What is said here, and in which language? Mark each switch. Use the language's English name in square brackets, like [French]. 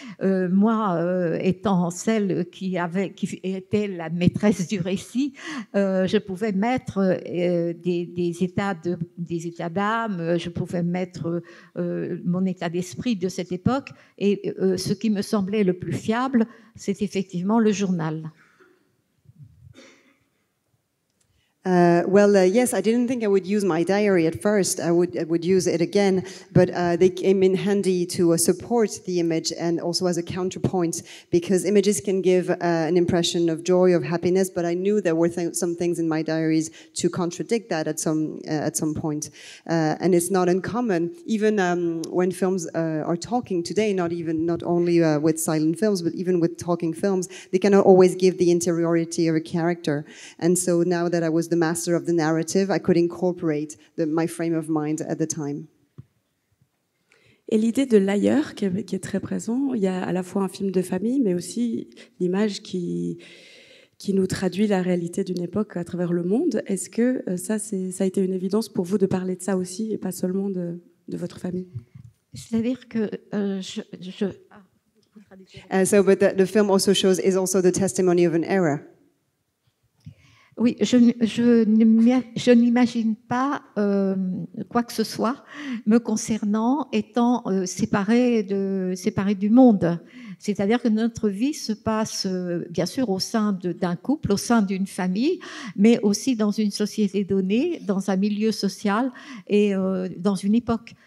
[French] Moi, étant celle qui était la maîtresse du récit, je pouvais mettre des états d'âme, je pouvais mettre mon état d'esprit de cette époque, et ce qui me semblait le plus fiable, c'est effectivement le journal. [English] Yes, I didn't think I would use my diary at first. I would use it again, but they came in handy to support the image and also as a counterpoint, because images can give an impression of joy, of happiness, but I knew there were some things in my diaries to contradict that at some point. And it's not uncommon, even when films are talking today, not only with silent films, but even with talking films, they cannot always give the interiority of a character. And so now that I was the master of the narrative, I could incorporate my frame of mind at the time. [French] Et l'idée de l'ailleurs qui est très présent, il y a à la fois un film de famille, mais aussi l'image qui nous traduit la réalité d'une époque à travers le monde. Est-ce que ça a été une évidence pour vous de parler de ça aussi et pas seulement de votre famille? C'est-à-dire que [English] the film also shows is also the testimony of an era. [French] Oui, je n'imagine pas quoi que ce soit me concernant étant séparée du monde. C'est-à-dire que notre vie se passe bien sûr au sein d'un couple, au sein d'une famille, mais aussi dans une société donnée, dans un milieu social et dans une époque.